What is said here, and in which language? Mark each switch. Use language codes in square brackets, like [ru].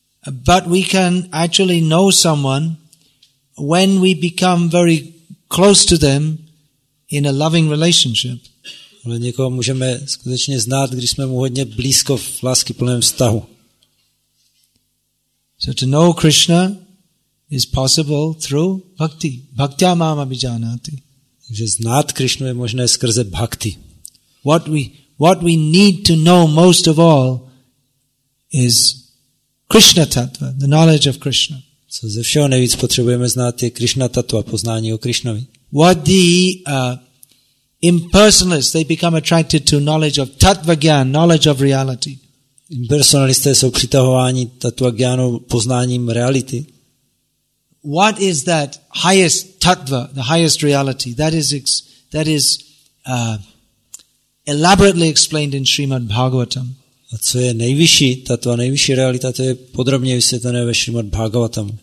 [en] But we can actually know someone when we become very close to them in a loving relationship. [cs] Ale někoho můžeme skutečně znát, když jsme mu hodně blízko v láskyplném vztahu. [en] So to know Krishna is possible through bhakti. [sa] Bhaktya mam abhijanati. [cs] Takže znát Krishnu je možné skrze bhakti. [en] What we What we need to know most of all is Krishna tattva, the knowledge of Krishna. [cs] Co ze všeho nejvíc potřebujeme znát je Krishna tattva, poznání o Krishnovi. [en] What the impersonalists, they become attracted to knowledge of tattva gyan, knowledge of reality. [cs] Impersonalisté jsou přitahováni tattva gyanu, poznáním reality. [en] What is that highest tattva, the highest reality? That is elaborately explained in Srimad Bhagavatam. [cs] A co je nejvyšší tattva, nejvyšší realita, to je podrobně vysvětlené ve Srimad Bhagavatam.